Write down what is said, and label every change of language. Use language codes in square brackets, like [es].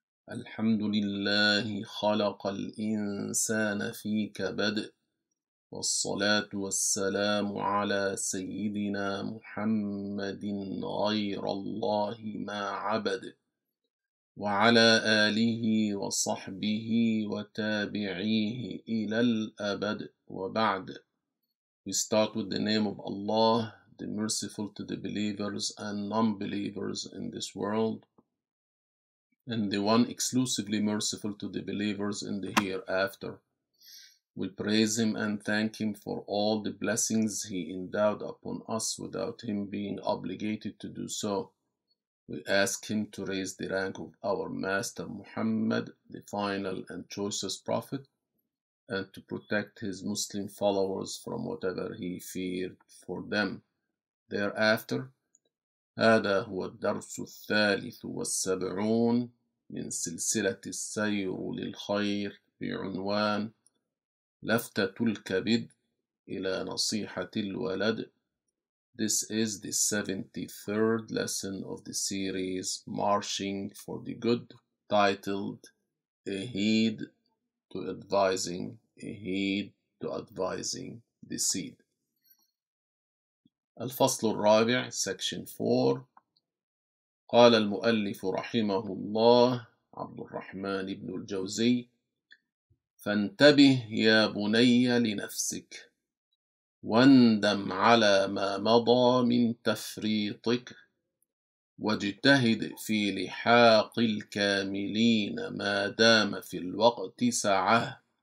[ar] الحمد لله خلق الإنسان في كبد، والصلاة والسلام على سيدنا محمد غير الله ما عبد، وعلى آله وصحبه وتابعيه إلى الأبد وبعد. [en] We start with the name of Allah, the merciful to the believers and non-believers in this world, and the one exclusively merciful to the believers in the hereafter. We praise him and thank him for all the blessings he endowed upon us without him being obligated to do so. We ask him to raise the rank of our master Muhammad, the final and choicest prophet, and to protect his Muslim followers from whatever he feared for them. [ar] Thereafter, هذا هو الدرس الثالث والسبعون من سلسلة السير للخير بعنوان لفتة الكبد إلى نصيحة الولد. [en] This is the 73rd lesson of the series Marching for the Good, titled A Heed to Advising, A Heed to Advising the Seed. [ar] الفصل الرابع, section 4. قال المؤلف رحمه الله عبد الرحمن بن الجوزي: فانتبه يا بني لنفسك، واندم على ما مضى من تفريطك، واجتهد في لحاق الكاملين ما دام في الوقت سعة،